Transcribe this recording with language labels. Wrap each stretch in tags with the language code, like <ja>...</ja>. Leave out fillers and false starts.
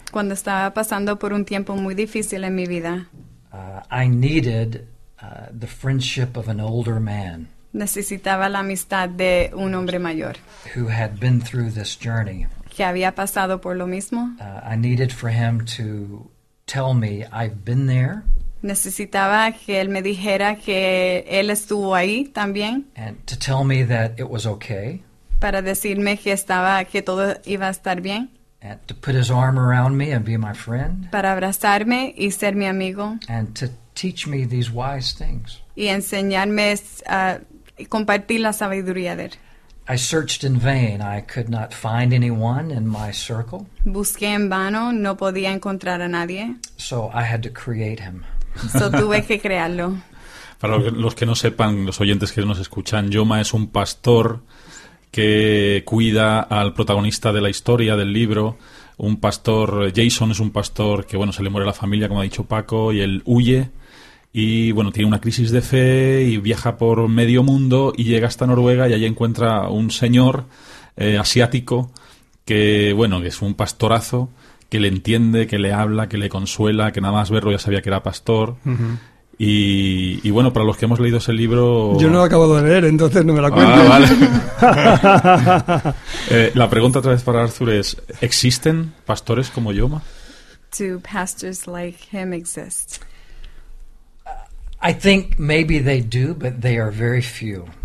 <es>cuando estaba pasando por un tiempo muy difícil en mi vida,</es> <en>I needed the friendship of an older man.</en> <es>Necesitaba la amistad de un hombre mayor.</es> <en>Who had been through this journey.</en> <es>Que había pasado por lo mismo.</es> <en>I needed for him to tell me I've been there.</en> <es>Necesitaba que él me dijera que él estuvo ahí también.</es> <en>And to tell me that it was okay.</en> <es>Para decirme que estaba, que todo iba a estar bien.</es> <en>And to put his arm around me and be my friend.</en> <es>Para abrazarme y ser mi amigo.</es> <en>And to teach me these wise things.</en> <es>Y enseñarme y compartir la sabiduría de él.</es> <en>I searched in vain. I could not find anyone in my circle.</en> <es>Busqué en vano. No podía encontrar a nadie.</es> <en>So I had to create him.</en> <es>So tuve que crearlo. Para los que no sepan, los oyentes que nos escuchan, Joma es un pastor que cuida al protagonista de la historia, del libro. Un pastor, Jason, es un pastor que, bueno, se le muere la familia, como ha dicho Paco, y él huye. Y, bueno, tiene una crisis de fe y viaja por medio mundo y llega hasta Noruega y allí encuentra un señor asiático que, bueno, que es un pastorazo, que le entiende, que le habla, que le consuela, que nada más verlo ya sabía que era pastor. Uh-huh. Y bueno, para los que hemos leído ese libro... Yo no lo he acabado de leer, entonces no me lo cuento. Ah, vale. la pregunta otra vez para Arthur es, ¿existen pastores como Joma?</es> <en>Do pastors like him exist? I think maybe they do, but they are very few.</en>